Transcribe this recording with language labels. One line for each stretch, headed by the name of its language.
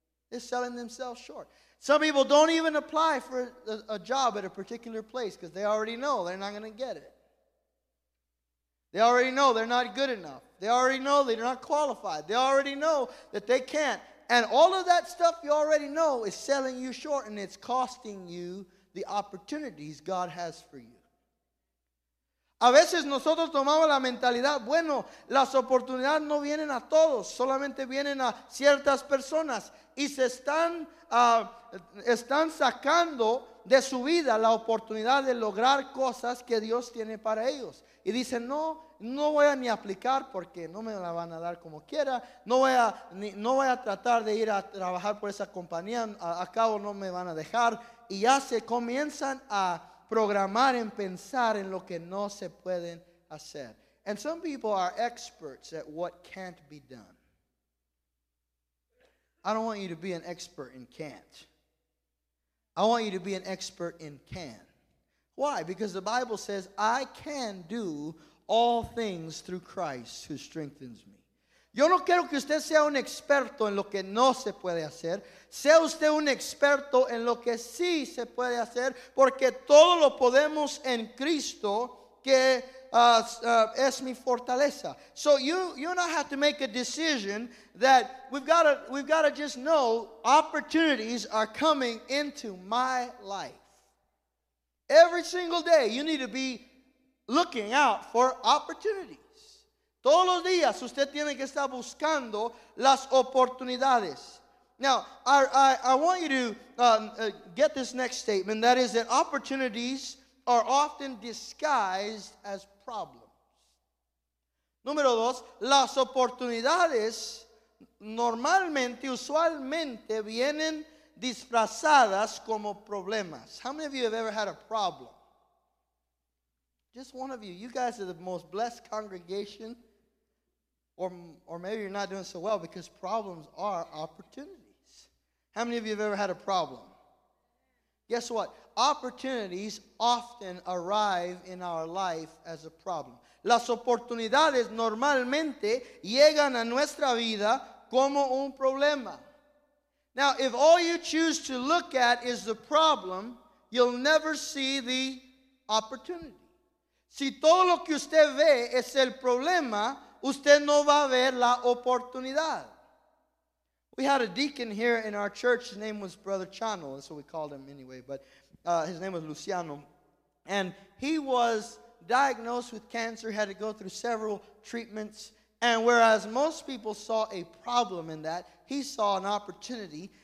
English: They're selling themselves short. Some people don't even apply for a job at a particular place because they already know they're not going to get it. They already know they're not good enough. They already know they're not qualified. They already know that they can't. And all of that stuff you already know is selling you short, and it's costing you the opportunities God has for you.
Spanish: A veces nosotros tomamos la mentalidad, bueno, las oportunidades no vienen a todos, solamente vienen a ciertas personas, y se están sacando de su vida la oportunidad de lograr cosas que Dios tiene para ellos. Y dicen, no voy a ni aplicar porque no me la van a dar como quiera, no voy a tratar de ir a trabajar por esa compañía, a cabo no me van a dejar, y ya se comienzan a programar en pensar en lo que no se pueden hacer.
English: And some people are experts at what can't be done. I don't want you to be an expert in can't. I want you to be an expert in can. Why? Because the Bible says, I can do all things through Christ who strengthens me.
Spanish: Yo no quiero que usted sea un experto en lo que no se puede hacer. Sea usted un experto en lo que sí se puede hacer, porque todo lo podemos en Cristo que es mi fortaleza.
English: So you and I have to make a decision that we've got to just know opportunities are coming into my life. Every single day you need to be looking out for opportunities.
Spanish: Todos los días usted tiene que estar buscando las oportunidades.
English: Now, I want you to get this next statement. That is that opportunities are often disguised as problems.
Spanish: Número dos, las oportunidades normalmente, usualmente, vienen disfrazadas como problemas.
English: How many of you have ever had a problem? Just one of you. You guys are the most blessed congregation. Or maybe you're not doing so well because problems are opportunities. How many of you have ever had a problem? Guess what? Opportunities often arrive in our life as a problem.
Spanish: Las oportunidades normalmente llegan a nuestra vida como un problema.
English: Now, if all you choose to look at is the problem, you'll never see the opportunity.
Spanish: Si todo lo que usted ve es el problema, usted no va a ver la oportunidad.
English: We had a deacon here in our church. His name was Brother Chano. That's what we called him anyway. But his name was Luciano. And he was diagnosed with cancer. He had to go through several treatments. And whereas most people saw a problem in that, he saw an opportunity.